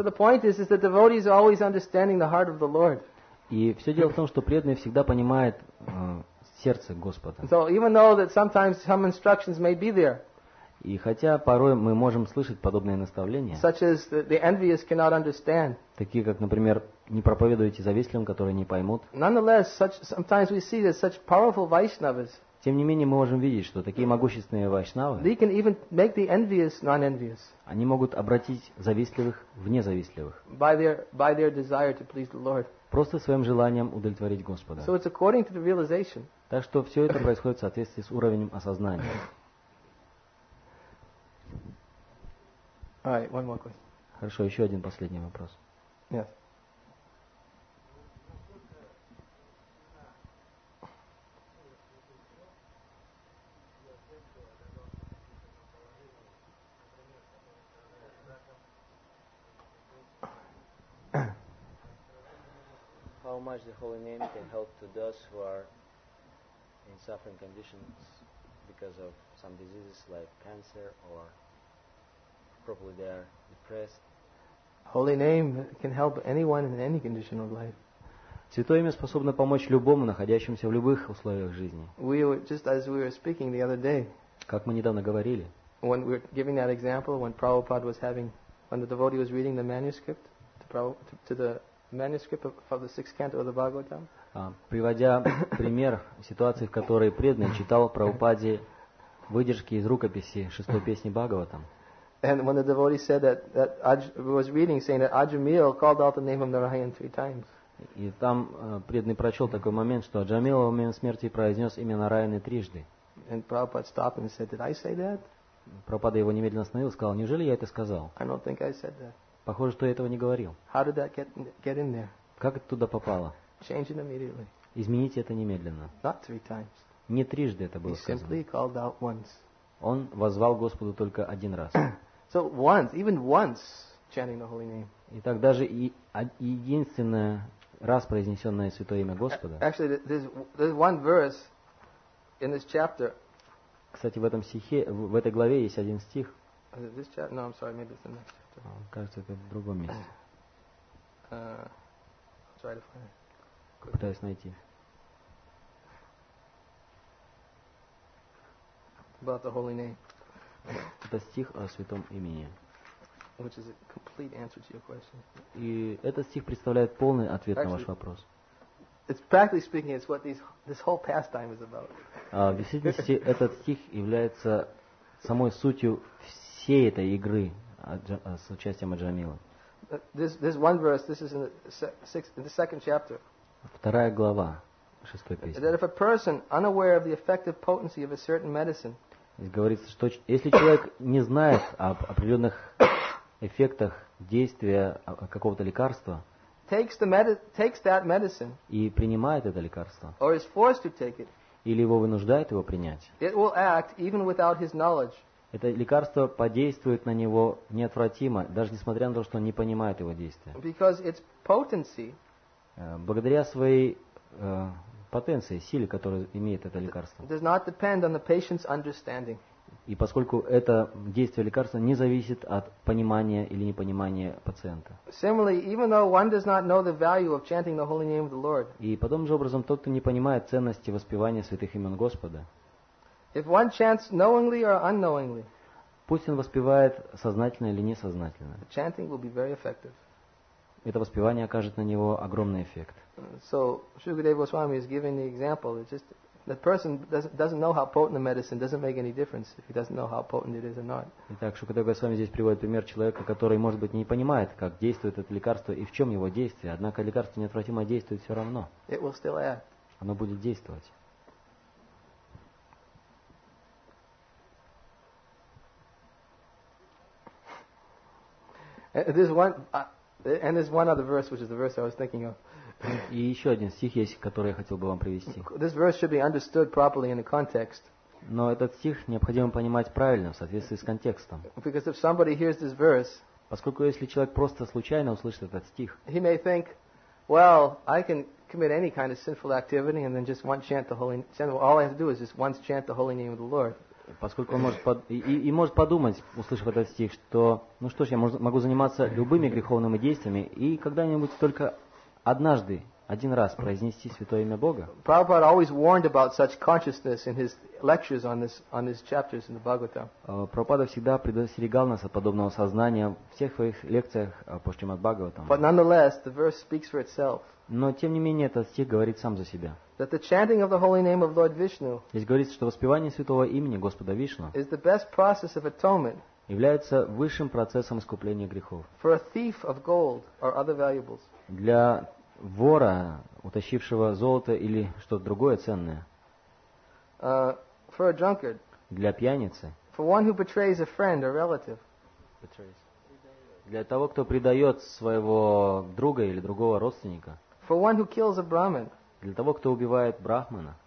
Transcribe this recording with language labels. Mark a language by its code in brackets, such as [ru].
[en] So the point is that devotees are always understanding the heart of the Lord. [ru] И все дело в том, что преданный всегда понимает сердце Господа. [en] So even though that sometimes some instructions may be there. [ru] И хотя порой мы можем слышать подобные наставления. [en] Such as the envious cannot understand. [ru] Такие как, например, не проповедуйте завистливым, которые не поймут. [en] Nonetheless, sometimes we see that such powerful Vaishnavas. [ru] Тем не менее, мы можем видеть, что такие могущественные вайшнавы, [en] they can even make the envious non-envious. [ru] Они могут обратить завистливых в независтливых. [en] By their desire to please the Lord. [ru] Просто своим желанием удовлетворить Господа. [en] So it's according to the realization. [ru] Так что все это происходит в соответствии с уровнем осознания. [en] All right, one more question. [ru] Хорошо, еще один последний вопрос. [en] Yes. How much the holy name can help to those who are in suffering conditions because of some diseases like cancer or probably they are depressed. Holy name can help anyone in any condition of life. [ru] Святое имя способно помочь любому, находящемуся в любых условиях жизни. [en] We were, just as we were speaking the other day. [ru] Как мы недавно говорили. [en] When we were giving that example, when Prabhupada was having, when the devotee was reading the manuscript to the manuscript of the sixth canto of the Bhagavatam. [ru] Приводя пример ситуации, в которой преданный читал Прабхупаде выдержки из рукописи шестой песни Бхагаватам. [en] And when the devotee said that was reading, saying that Ajamil called out the name of Narayan three times. [ru] И там преданный прочел такой момент, что Аджамил во время смерти произнес имя Нараяны трижды. [en] And Prabhupada stopped and said, "Did I say that?" [ru] Прабхупада его немедленно остановил и сказал, "Неужели я это сказал?" [en] I don't think I said that. [ru] Похоже, что я этого не говорил. [en] How did that get in there? [ru] Как это туда попало? [en] Change it immediately. [ru] Измените это немедленно. [en] Not three times. [ru] Не трижды это было сказано. [en] He simply called out once. [ru] Он воззвал Господу только один раз. [en] So once, even once, chanting the holy name. [ru] Итак, даже и единственное раз произнесенное святое имя Господа. [en] Actually, there's one verse in this chapter. [ru] Кстати, в этом стихе, в этой главе есть один стих. [en] Is it this chapter? No, I'm sorry, maybe it's the next chapter. [ru] Кажется, это в другом месте. [en] I'll try to find it. [ru] Пытаюсь найти. [en] About the holy name. [ru] Это стих о святом имени. [en] Which is a complete answer to your question. [ru] И этот стих представляет полный ответ [en] Actually, [ru] на ваш вопрос. [en] It's practically speaking, it's what this whole pastime is about. [ru] В действительности, этот стих является самой сутью всей этой игры с участием Аджамилы. [en] This one verse, this is in the second chapter. [ru] Вторая глава, шестой песни. [en] That if a person unaware of the effective potency of a certain medicine. [ru] Здесь говорится, что если человек не знает об определенных эффектах действия какого-то лекарства, [en] takes that medicine, [ru] и принимает это лекарство, [en] or is forced to take it, [ru] или его вынуждает его принять, [en] it will act even without his knowledge. [ru] Это лекарство подействует на него неотвратимо, даже несмотря на то, что он не понимает его действия. [en] Because its potency, [ru] благодаря своей потенции, силе, которую имеет это лекарство, [en] does not depend on the patient's understanding. [ru] И поскольку это действие лекарства не зависит от понимания или непонимания пациента. [en] Similarly, even though one does not know the value of chanting the holy name of the Lord. [ru] И подобным же образом тот, кто не понимает ценности воспевания святых имен Господа. [en] If one chants knowingly or unknowingly. [ru] Пусть он воспевает сознательно или несознательно. [en] The chanting will be very effective. [ru] Это воспевание окажет на него огромный эффект. [en] So Shukadeva Goswami is giving the example. It's just that person doesn't know how potent the medicine doesn't make any difference if he doesn't know how potent it is or not. [ru] Итак, Шукадева Госвами здесь приводит пример человека, который, может быть, не понимает, как действует это лекарство и в чем его действие, однако лекарство неотвратимо действует все равно. [en] It will still act. [ru] Оно будет действовать. [en] And there's one other verse, which is the verse I was thinking of. [ru] И еще один стих есть, который я хотел бы вам привести. [en] This verse should be understood properly in the context. [ru] Но этот стих необходимо понимать правильно, в соответствии с контекстом. [en] Because if somebody hears this verse, [ru] поскольку если человек просто случайно услышит этот стих, [en] he may think, well, I can commit any kind of sinful activity and then just once chant the holy name. All I have to do is just once chant the holy name of the Lord. [ru] Поскольку он может может подумать, услышав этот стих, что, ну что ж, я могу заниматься любыми греховными действиями и когда-нибудь только однажды, один раз произнести святое имя Бога. [en] Prabhupada always warned about such consciousness in his lectures on his chapters in the Bhagavatam. [ru] Прабхупада всегда предостерегал нас от подобного сознания в всех своих лекциях по Шримад Бхагаватам. [en] But nonetheless, the verse speaks for itself. [ru] Но тем не менее этот стих говорит сам за себя. [en] That the chanting of the holy name of Lord Vishnu. [ru] Здесь говорится, что воспевание святого имени Господа Вишну [en] is the best process of atonement. [ru] Является высшим процессом искупления грехов. [en] For a thief of gold or other valuables. [ru] Для вора, утащившего золото или что-то другое ценное. [en] For a drunkard. [ru] Для пьяницы. [en] For one who betrays a friend or relative. Betrays. [ru] Для того, кто предает своего друга или другого родственника. [en] For one who kills a brahmin. [ru] Для того, кто убивает брахмана.